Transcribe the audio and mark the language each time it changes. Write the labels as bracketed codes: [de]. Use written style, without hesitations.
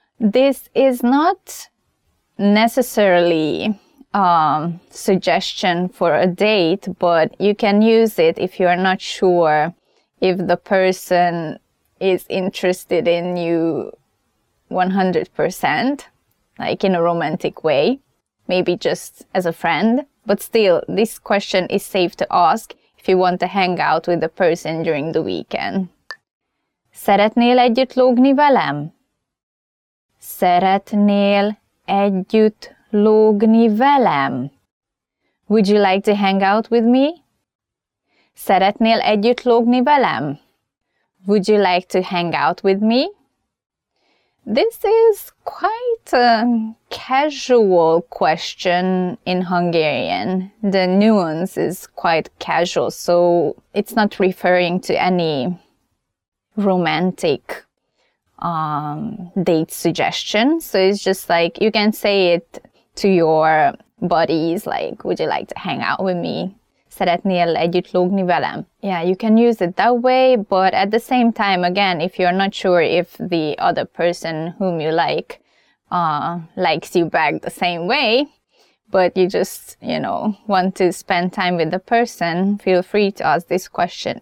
[en] This is not necessarily a suggestion for a date, but you can use it if you are not sure if the person is interested in you 100%, like in a romantic way, maybe just as a friend. But still, this question is safe to ask if you want to hang out with the person during the weekend. [hu] Szeretnél együtt lógni velem? Szeretnél együtt lógni velem? [en] Would you like to hang out with me? [hu] Szeretnél együtt lógni velem? [en] Would you like to hang out with me? This is quite a casual question in Hungarian. The nuance is quite casual, so it's not referring to any romantic date suggestion. So it's just like you can say it to your buddies, like, would you like to hang out with me? [hu] Szeretnél együtt lógni velem? [en] Yeah, you can use it that way, but at the same time, again, if you're not sure if the other person whom you like likes you back the same way, but you just, you know, want to spend time with the person, feel free to ask this question.